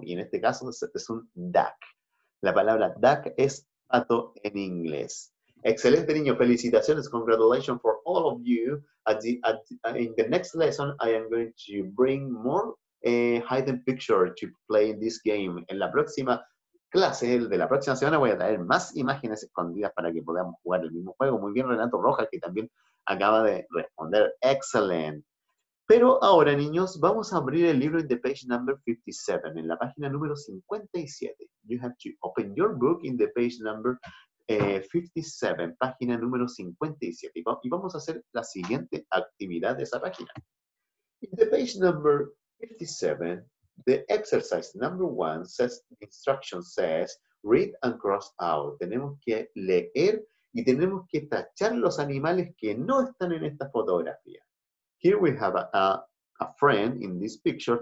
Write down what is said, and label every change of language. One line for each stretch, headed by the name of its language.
Spanish: Y en este caso es un duck. La palabra duck es pato en inglés. Excelente, niño. Felicitaciones.
English: Congratulations for all of you. In the next lesson, I am going to bring more hidden picture to play in this game.
Spanish: En la próxima clase de la próxima semana voy a traer más imágenes escondidas para que podamos jugar el mismo juego. Muy bien, Renato Rojas, que también acaba de responder.
English: Excellent.
Spanish: Pero ahora, niños, vamos a abrir el libro en
English: the page number 57,
Spanish: en la página número 57.
English: You have to open your book in the page number 57,
Spanish: página número 57. Y vamos a hacer la siguiente actividad de esa página.
English: In the page number 57, the exercise number one says, instruction says, read and cross out.
Spanish: Tenemos que leer y tenemos que tachar los animales que no están en esta fotografía.
English: Here we have a friend in this picture.